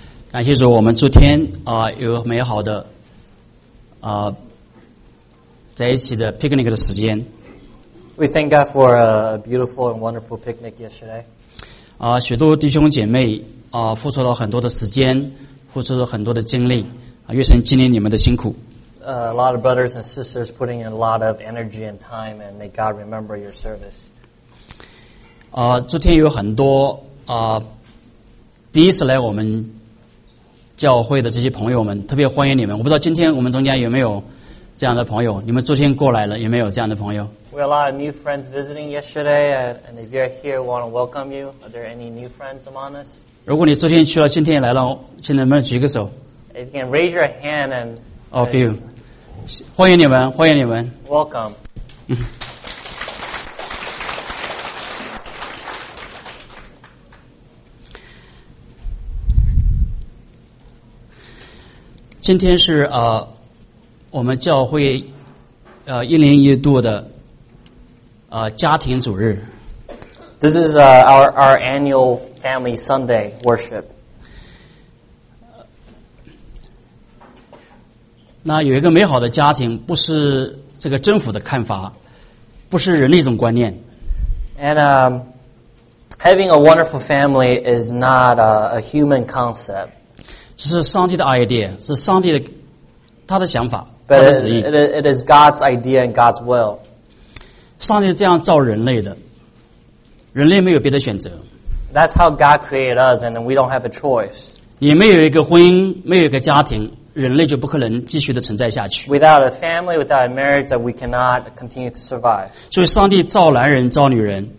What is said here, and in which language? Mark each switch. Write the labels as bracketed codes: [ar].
[zh] 感谢主，我们诸天有美好的在一起的 picnic 的时间。 [en] We thank God for a beautiful and wonderful picnic yesterday. [zh] 许多弟兄姐妹付出了很多的时间，付出了很多的精力，愿神纪念你们的辛苦。 [en] A lot of brothers and sisters putting in a lot of energy and time, and may God remember your service. [zh] 诸天有很多第一次来我们教会的这些朋友们，特别欢迎你们。我不知道今天我们中间有没有这样的朋友，你们昨天过来了有没有这样的朋友？ [en] We have a lot of new friends visiting yesterday, and if you're here, we want to welcome you. Are there any new friends among us? [zh] 如果你昨天去了，今天来了，请你们举个手。 [en] If you can raise your hand and all of you, [zh] 欢迎你们，欢迎你们。 [en] Welcome. [zh] 今天是我们教会一年一度的家庭主日。 [en] This is our annual family Sunday worship. [zh] 那有一个美好的家庭，不是这个政府的看法，不是人的一种观念。 [en] And having a wonderful family is not a human concept. [zh] 这是上帝的 idea， 是上帝的他的想法， [en] But、 [zh] 他的旨意。 [en] It is God's idea and God's will。 [zh] 上帝是这样造人类的，人类没有别的选择。 [en] That's how God created us, and we don't have a choice。 [zh] 你没有一个婚姻，没有一个家庭，人类就不可能继续的存在下去。 [en] Without a family, without a marriage, that we cannot continue to survive。 [zh] 所以上帝造男人，造女人。